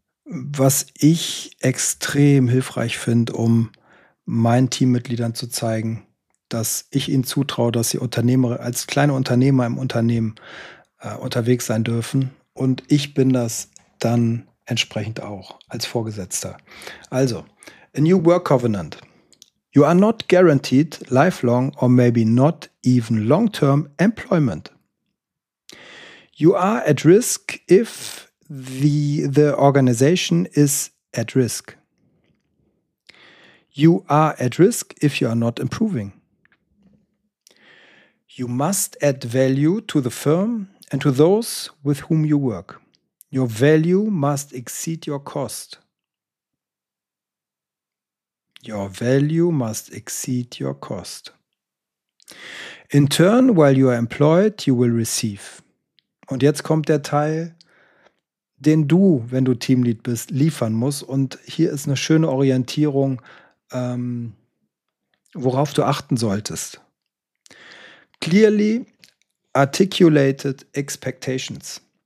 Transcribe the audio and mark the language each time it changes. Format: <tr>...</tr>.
<de>Was ich extrem hilfreich finde, um meinen Teammitgliedern zu zeigen, dass ich ihnen zutraue, dass sie Unternehmer, als kleine Unternehmer im Unternehmen unterwegs sein dürfen. Und ich bin das dann entsprechend auch als Vorgesetzter.</de> <en>Also, a new work covenant. You are not guaranteed lifelong or maybe not even long-term employment. You are at risk if the organization is at risk. You are at risk if you are not improving. You must add value to the firm and to those with whom you work. Your value must exceed your cost. Your value must exceed your cost. In turn, while you are employed, you will receive.</en> <de>Und jetzt kommt der Teil, den du, wenn du Teamlead bist, liefern musst. Und hier ist eine schöne Orientierung, worauf du achten solltest.</de> <en>Clearly articulated expectations.</en>